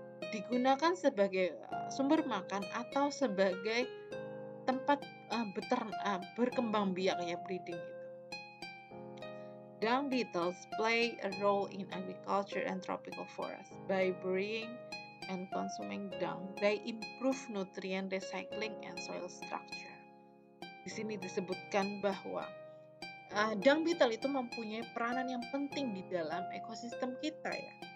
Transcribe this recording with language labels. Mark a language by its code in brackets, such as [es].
[id] Digunakan sebagai sumber makan atau sebagai tempat berkembang biaknya breeding itu. [en] Dung beetles play a role in agriculture and tropical forests. By burying and consuming dung, they improve nutrient recycling and soil structure. [id] Di sini disebutkan bahwa dung beetle itu mempunyai peranan yang penting di dalam ekosistem kita ya.